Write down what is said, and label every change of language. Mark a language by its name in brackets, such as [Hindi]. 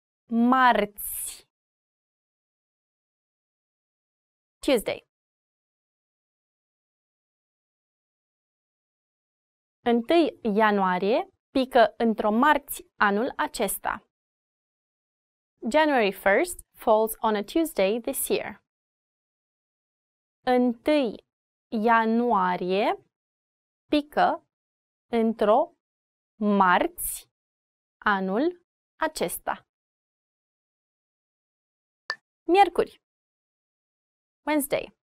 [Romanian] Marți. [English] Tuesday. [Romanian] Întâi ianuarie pică într-o marți anul acesta. [English] January 1st falls on a Tuesday this year. [Romanian] Întâi ianuarie pică într-o marți anul acesta. Miercuri. Wednesday.